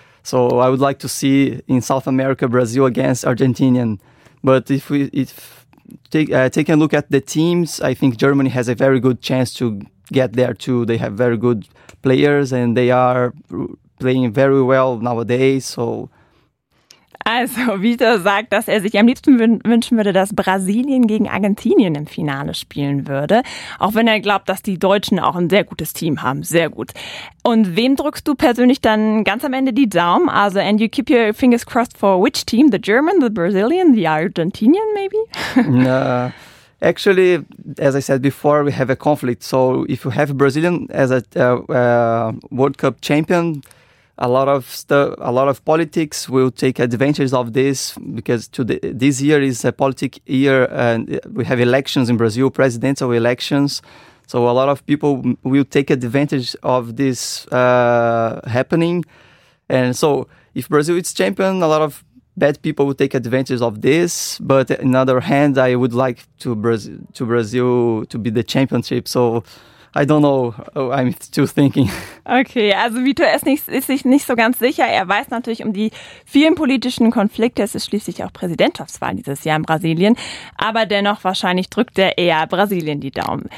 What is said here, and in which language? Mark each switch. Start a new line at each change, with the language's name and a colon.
English: So I would like to see in South America, Brazil against Argentina. But if we take a look at the teams, I think Germany has a very good chance to get there too. They have very good players and they are playing very well nowadays, so.
German: Also, Vitor sagt, dass er sich am liebsten wünschen würde, dass Brasilien gegen Argentinien im Finale spielen würde. Auch wenn er glaubt, dass die Deutschen auch ein sehr gutes Team haben. Sehr gut. Und wem drückst du persönlich dann ganz am Ende die Daumen?
English: Also, and you keep your fingers crossed for which team? The German, the Brazilian, the Argentinian maybe? No. Actually, as I said before, we have a conflict. So if you have Brazilian as a World Cup champion, a lot of politics will take advantage of this, because this year is a politic year and we have elections in Brazil, presidential elections. So a lot of people will take advantage of this happening. And so if Brazil is champion, a lot of bad people would take advantage of this, but on the other hand, I would like to Brazil to be the championship. So I don't know. Oh, I'm still thinking.
German: Okay, also Vito ist sich nicht so ganz sicher. Er weiß natürlich um die vielen politischen Konflikte. Es ist schließlich auch Präsidentschaftswahl dieses Jahr in Brasilien. Aber dennoch wahrscheinlich drückt er eher Brasilien die Daumen.